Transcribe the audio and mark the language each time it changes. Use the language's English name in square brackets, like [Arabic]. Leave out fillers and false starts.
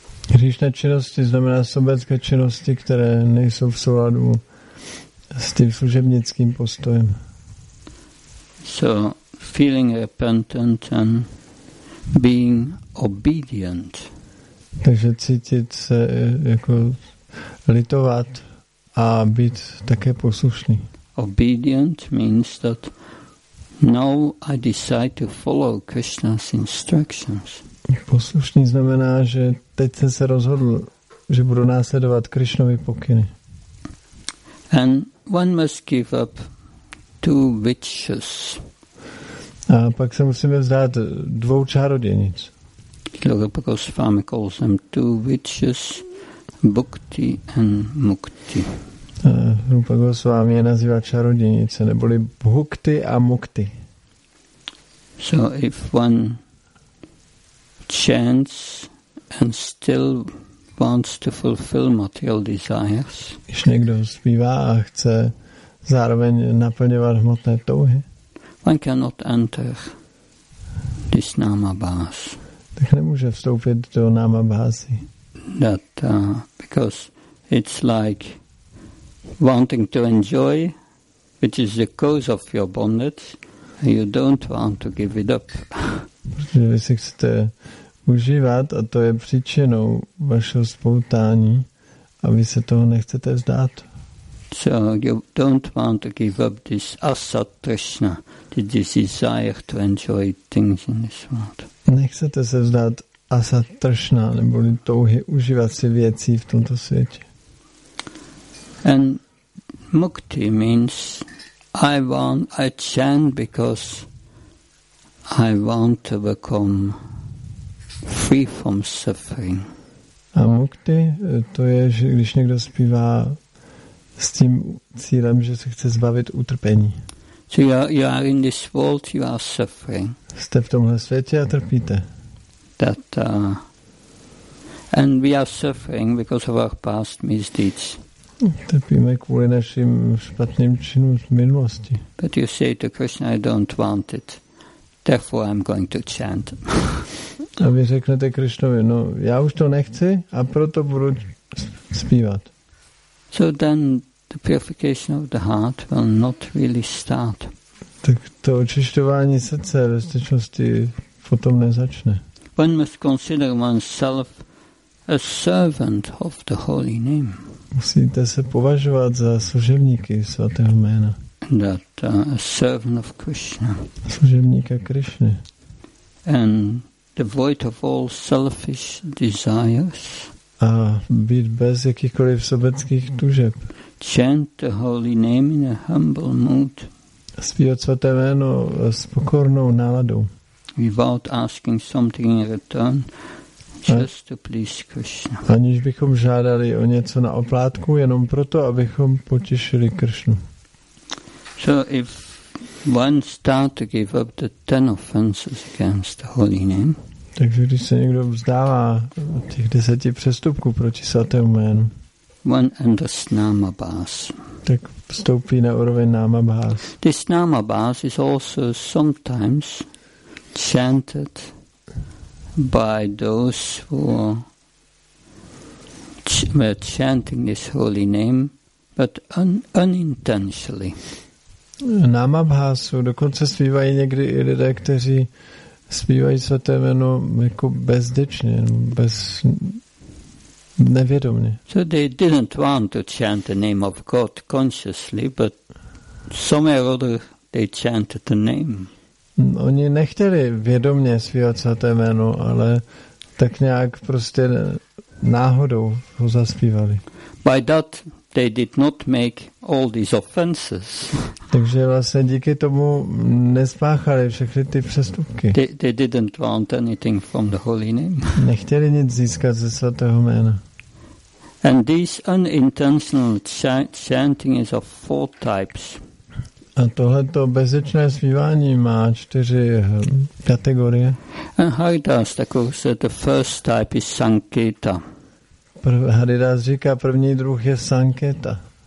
[Czech] Hříšné činnosti znamená sobecké činnosti, které nejsou v souladu s tím služebnickým postojem. [English] So feeling repentant and being obedient. [Czech] Takže cítit se jako litovat a být také poslušný. [English] Obedient means that now I decide to follow Krishna's instructions. [Czech] Poslušný znamená, že teď jsem se rozhodl, že budu následovat Krišnovy pokyny. [English] And one must give up two witches. [Czech] A pak se musíme vzdát dvou čarodějnic. [English] Lopakos Goswami calls them two witches, Bhukti and Mukti. [Czech] Lopakos Goswami je nazývá čarodějnice, neboli Bhukti a Mukti. [English] So if one chants and still wants to fulfill material desires. [Czech] Když někdo zpívá a chce zároveň naplňovat hmotné touhy. [English] One cannot enter this namabhas. [Czech] Tak nemůže vstoupit do namabhasy. [English] That because it's like wanting to enjoy, which is the cause of your bondage, and you don't want to give it up. [Czech] Protože vy si chcete užívat a to je příčinou vašeho spoutání a vy se toho nechcete vzdát. [English] So you don't want to give up this asat trishna, this desire to enjoy things in this world. [Czech] Nechcete se vzdát asat trishna, neboli touhy užívat si věcí v tomto světě. [English] And mukti means I chant because I want to become free from suffering. [Czech] A mukti, to je, že když někdo zpívá s tím cílem, že se chce zbavit utrpení. [English] So you are in this world, you are suffering. [Czech] Jste v tomhle světě a trpíte. [English] That, and we are suffering because of our past misdeeds. [Czech] Trpíme kvůli našim špatným činům z minulosti. [English] But you say to Krishna, I don't want it. Therefore I'm going to chant. [Czech] A vy řeknete Krišnovi, no já už to nechci a proto budu zpívat. [English] So then the purification of the heart will not really start. [Czech] Tak to očišťování srdce ve skutečnosti potom nezačne. [English] One must consider oneself a servant of the holy name. [Czech] Musíte se považovat za služebníky svatého jména. [English] That a servant of Krishna. [Czech] Služebníka Krišny. [English] And devoid of all selfish desires. [Czech] A být bez jakýchkoliv sobeckých tužeb. [English] Chant the holy name in a humble mood. [Czech] Zpívat svaté jméno s pokornou náladou. [English] Without asking something in return, just to please Krishna. [Czech] Aniž bychom žádali o něco na oplátku, jenom proto, abychom potěšili Krishnu. [English] So if one start to give up the 10 offenses against the holy name. [Czech] Takže když se někdo vzdává těch 10 přestupků proti svatému jménu. [English] One enters Namabhas. [Czech] Tak vstoupí na úroveň Namabhas. [English] This Namabhas is also sometimes chanted by those who were chanting this holy name, but unintentionally. [Czech] Namabhasu dokonce zpívají někdy i lidé, kteří zpívají svaté jméno jako bezdečně, bez nevědomně. [English] So they didn't want to chant the name of God consciously, but somewhere or other they chanted the name. [Czech] Oni nechtěli vědomně zpívat svaté jméno, ale tak nějak prostě náhodou ho zaspívali. [English] By that they did not make all these offenses. [Czech] Takže vlastně díky tomu nespáchali všechny ty přestupky. [English] They didn't want anything from the holy name. [Czech] Nechtěli nic získat ze svatého jména. [English] And this unintentional chanting is of four types. [Czech] A tohleto bezečné zpívání má 4 kategorie. [English] And Haridas Thakur said the first type is sankheta. [Czech] Haridas říká, první druh je sankheta.